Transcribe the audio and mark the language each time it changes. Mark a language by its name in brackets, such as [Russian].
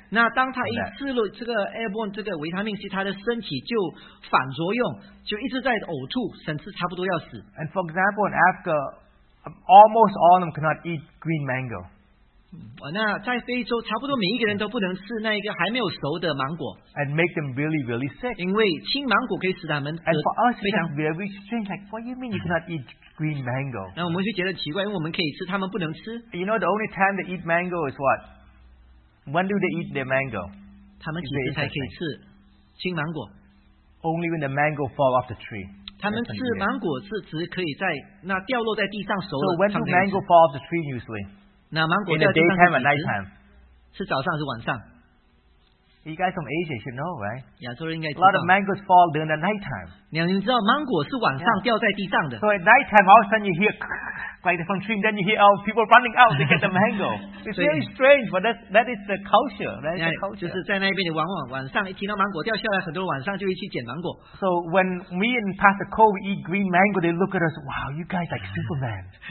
[Chinese] 那当她一吃了这个airborne这个维他命C，她的身体就反作用，就一直在呕吐，甚至差不多要死。 [English] And for example, in Africa, almost all of them cannot eat green mango. [Chinese] 那在非洲差不多每一个人都不能吃那一个还没有熟的芒果 [English] and make them really really sick [Chinese] 因为青芒果可以使他们 [English] and for us it's very strange like what do you mean you cannot eat green mango [Chinese] 那我们就觉得奇怪 因为我们可以吃 他们不能吃 [English] you know the only time they eat mango is what when do they eat their mango [Chinese] 他们几时才可以吃青芒果 [English] only when the mango fall off the tree [Chinese] 他们吃芒果是只可以在那掉落在地上熟了 [English] so when do mango fall off the tree usually In the daytime or nighttime? [Chinese] 是早上还是晚上? [English] You guys from Asia should know, right? [Chinese] 亚洲人应该知道。 [English] A lot of mangoes fall during the nighttime. [Chinese] 你知道芒果是晚上掉在地上的。 [English] So at nighttime, all of a sudden you hear like from tree, then you hear all people running out to get the mango. It's very strange, but that is the culture. That is the culture. [Chinese] 就是在那边，往往晚上一听到芒果掉下来，很多晚上就会去捡芒果。 [English] So when me and Pastor Cole eat green mango, they look at us, wow, you guys like Superman.